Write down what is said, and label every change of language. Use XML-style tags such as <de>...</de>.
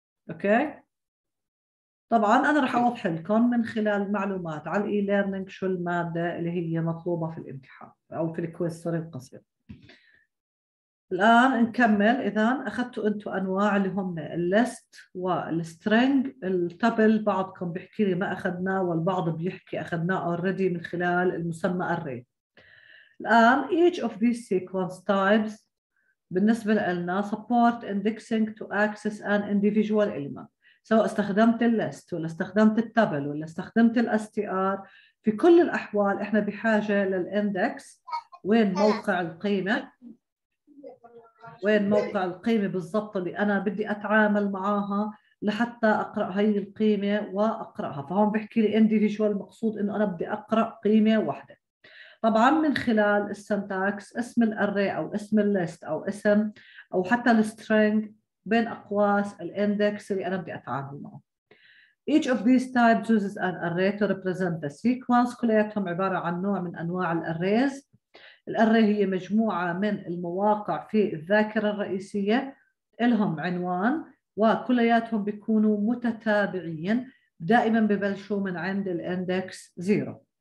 <ar>أوكي طبعا أنا راح أوضح لكم من خلال معلومات على الإي ليرنينج شو المادة اللي هي مطلوبة في الامتحان أو في الكويز سوري القصير. الآن نكمل. إذا أخذتوا أنتوا أنواع اللي هم الليست والسترينج، التبل بعضكم بيحكي لي ما أخذناه والبعض بيحكي أخذناه أوريدي من خلال المسمى array. الآن</ar> <en>each of these sequence types</en> <ar>بالنسبة لنا</ar> <en>support indexing to access an individual element.</en> <ar>سواء استخدمت الليست ولا استخدمت التبل ولا استخدمت الاستيار، في كل الأحوال إحنا بحاجة للإندكس. وين موقع القيمة؟ وين موقع القيمة بالضبط اللي أنا بدي أتعامل معاها لحتى أقرأ هاي القيمة وأقرأها؟ فهون بحكي لي individual، مقصود إنه أنا بدي أقرأ قيمة واحدة. طبعا من خلال السنتاكس اسم الأري أو اسم الليست أو اسم أو حتى السترينج، بين أقواس الاندكس اللي أنا بدي أتعامل معه.</ar> <en>Each of these types uses an array to represent the sequence.</en> <ar>كلياتهم عبارة عن نوع من أنواع الأريز. الأري هي مجموعة من المواقع في الذاكرة الرئيسية لهم عنوان، وكلياتهم بيكونوا متتابعين، دائما ببلشوا من عند الاندكس 0.</ar>